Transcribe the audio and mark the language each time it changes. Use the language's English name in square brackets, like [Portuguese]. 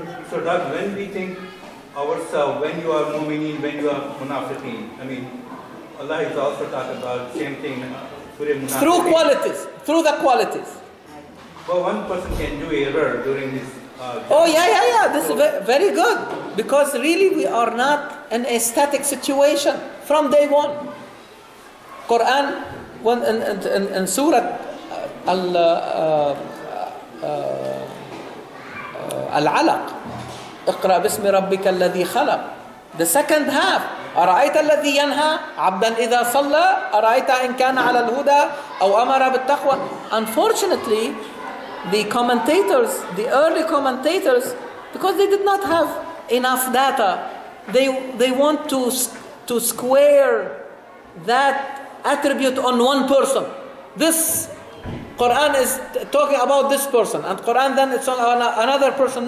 [English] So Doug, when we think ourselves, when you are mu'minin, when you are munafiqin, I mean, Allah is also talking about the same thing. Through qualities, through the qualities. Well, one person can do error during this. This is very good. Because really we are not in a static situation from day one. Quran, when in Surah Al-Alaq, [Arabic] اقرأ باسم ربك الذي خلق. [English] The second half. [Arabic] أرأيت الذي ينهى عبدا إذا صلى أرأيت إن كان على الهدى أو أمر بالتقوى. [English] Unfortunately, the early commentators, because they did not have enough data, they want to square that attribute on one person. This Quran is talking about this person, and Quran then it's on another person.